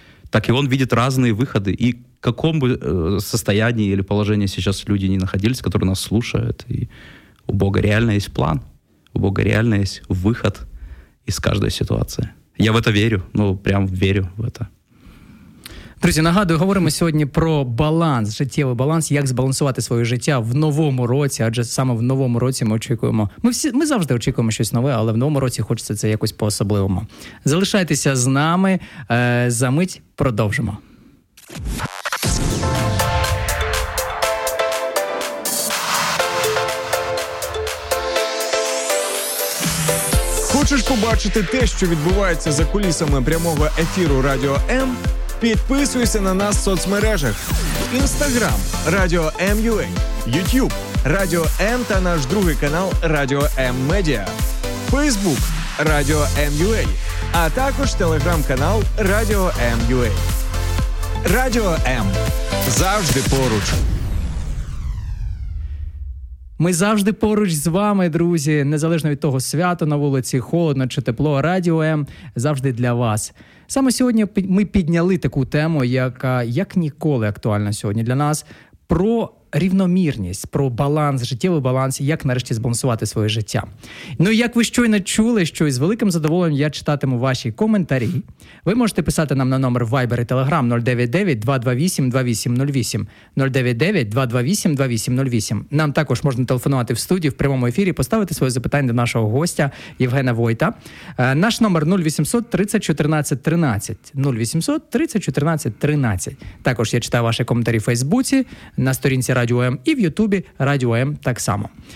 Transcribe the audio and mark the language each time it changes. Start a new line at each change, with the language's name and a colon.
Russian: Так и он видит разные выходы. И в каком бы состоянии или положении сейчас люди ни находились, которые нас слушают, и у Бога реально есть план, у Бога реально есть выход из каждой ситуации. Я в это верю, ну, прям верю в это.
Ukrainian: Друзі, нагадую, говоримо сьогодні про баланс, життєвий баланс, як збалансувати своє життя в новому році, адже саме в новому році ми очікуємо. Ми завжди очікуємо щось нове, але в новому році хочеться це якось по-особливому. Залишайтеся з нами, за мить продовжимо. Хочеш побачити те, що відбувається за кулісами прямого ефіру Радіо М? Підписуйся на нас в соцмережах. Instagram – Radio M.UA, YouTube – Radio M та наш другий канал Radio M Media, Facebook – Radio M.UA, а також телеграм-канал Radio M.UA. Radio M – завжди поруч. Ми завжди поруч з вами, друзі, незалежно від того, свято на вулиці, холодно чи тепло, Радіо М завжди для вас. Саме сьогодні ми підняли таку тему, яка як ніколи актуальна сьогодні для нас, про рівномірність, про баланс, життєвий баланс, як нарешті збалансувати своє життя. Ну, як ви щойно чули, що із великим задоволенням я читатиму ваші коментарі. Ви можете писати нам на номер Viber і Telegram 099-228-2808, 099-228-2808. Нам також можна телефонувати в студію в прямому ефірі, поставити своє запитання до нашого гостя Євгена Войта. Наш номер 0800-30-14-13, 0800-30-14-13. Також я читаю ваші коментарі в Фейсбуці, на сторінці Радіо М і в Ютубі Радіо М так само.